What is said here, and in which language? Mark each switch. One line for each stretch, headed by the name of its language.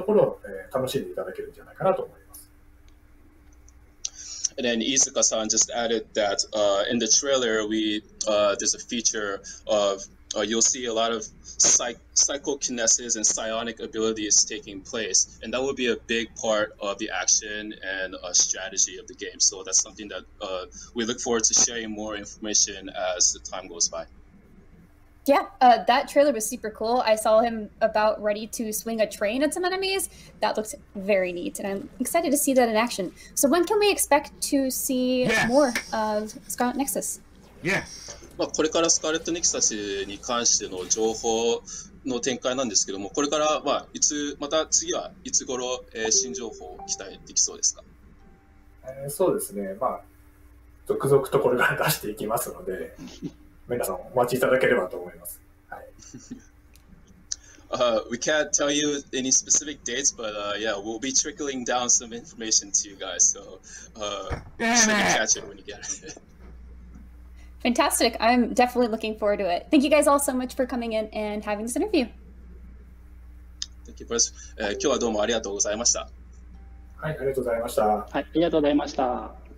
Japanese: 今回トレーラーとかではこの念力を使ったアクションっていうのを少しフィーチャーしてお見せしてますけども、それがやっぱり今回のアクションの中心に来るゲームシステムになりますが、この念力でできること、動かせることっていうのが、これからちょっといろいろバリエーションをお見せしていければなと思いますので、そういったところを使いこなして敵をどんどん倒していくというところを楽しんでいただけるんじゃないかなと思います。
English: And then Izuka-san just added that in the trailer, there's a feature of You'll see a lot of psychokinesis and psionic abilities taking place, and that will be a big part of the action and strategy of the game. So that's something that we look forward to sharing more information as the time goes by. Yeah, that trailer was super cool. I saw him about ready to swing a train at some enemies. That looks very neat, and I'm excited to see that in action. So when can we expect to see more of Scarlet Nexus?
Japanese: まあ、これからスカーレットネクサスに関しての情報の展開なんですけども、これからはいつまた次はいつ頃、新情報を期待できそうですか？そうですね、まあ、続々とこれから出していきますので、皆さんお待ちいただければと思います。はい。
English: we can't tell you any specific dates, but yeah, we'll be trickling down some information to you guys, so should be catching when you get it. Fantastic. I'm definitely looking forward to it. Thank you guys all so much for coming in and having this interview. Thank you, Bruce.
Japanese: 今日はどうもありがとうございました。はい、ありがとうございました。はい、ありがとうございました。